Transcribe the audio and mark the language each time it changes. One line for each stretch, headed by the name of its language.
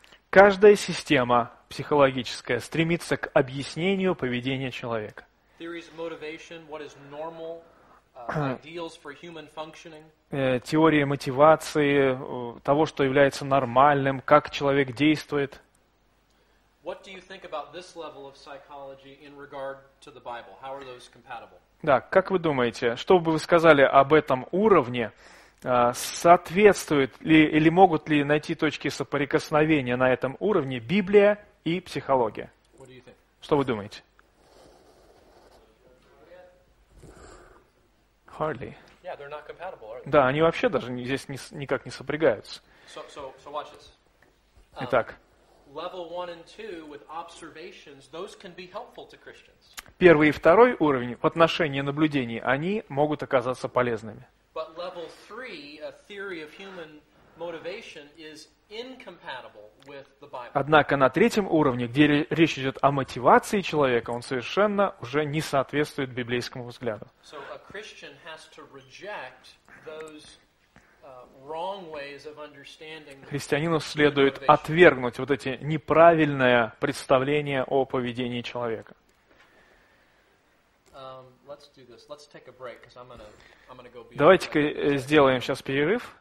Russian: Каждая система психологическая стремится к объяснению поведения человека. Теории мотивации, того, что является нормальным, как человек действует.
English: What do you think about this level of psychology in regard to the Bible? How are those compatible?
Russian: Да, как вы думаете, что бы вы сказали об этом уровне? Соответствуют ли или могут ли найти точки соприкосновения на этом уровне Библия и психология? Что вы думаете?
English: Hardly. Yeah, they're not compatible, are they?
Russian: Да, они вообще даже здесь никак не сопрягаются.
English: So watch this.
Russian: Итак.
English: Level 1 and 2 with observations, those can be helpful to Christians.
Russian: Первый и второй уровень в отношении наблюдений, они могут оказаться полезными.
English: But level 3, a theory of human motivation, is incompatible with the Bible.
Russian: Однако на третьем уровне, где речь идет о мотивации человека, он совершенно уже не соответствует библейскому взгляду.
English: So a Christian has to reject those wrong ways of understanding.
Russian: Христианину следует отвергнуть вот эти неправильные представления о поведении человека.
English: Let's do this. Let's take a break, because I'm gonna go be.
Russian: Давайте-ка сделаем сейчас перерыв.